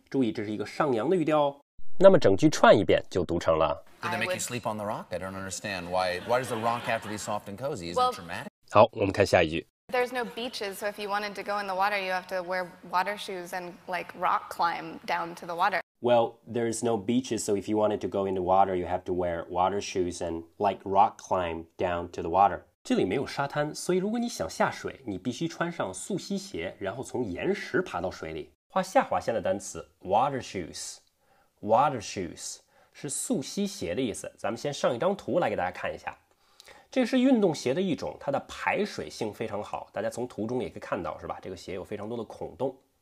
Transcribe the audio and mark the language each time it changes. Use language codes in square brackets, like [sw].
[zh] 注意这是一个上扬的语调哦。那么整句串一遍就读成了 [en] Did they make you sleep on the rock? I don't understand. Why does the rock have to be soft and cozy? Is it traumatic? [zh] 好，我们看下一句。 [en] There's no beaches, so if you wanted to go in the water, you have to wear water shoes and, like, rock climb down to the water. Well, there's no beaches, so if you wanted to go in the water, you have to wear water shoes and, like, rock climb down to the water. [zh] 这里没有沙滩，所以如果你想下水，你必须穿上溯溪鞋，然后从岩石爬到水里。画下划线的单词 water shoes. Water shoes 是溯溪鞋的意思。咱们先上一张图来给大家看一下。这是运动鞋的一种，它的排水性非常好，大家从图中也可以看到，是吧？这个鞋有非常多的孔洞。